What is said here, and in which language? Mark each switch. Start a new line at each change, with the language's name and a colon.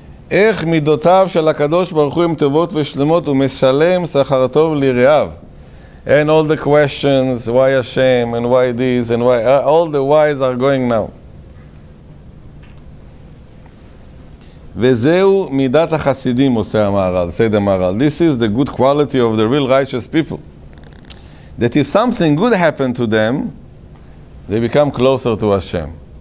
Hebrew: איך מידותיו של הקדוש ברוך הוא עם טובות ושלמות ומשלם שכר טוב לרעיו.
English: And all the questions, why Hashem, and why this, and why, all the whys are going now.
Hebrew: וזהו מידת החסידים עושה המהר"ל,
English: say the
Hebrew: מהר"ל.
English: This is the good quality of the real righteous people. That if something good happened to them, they become closer to Hashem.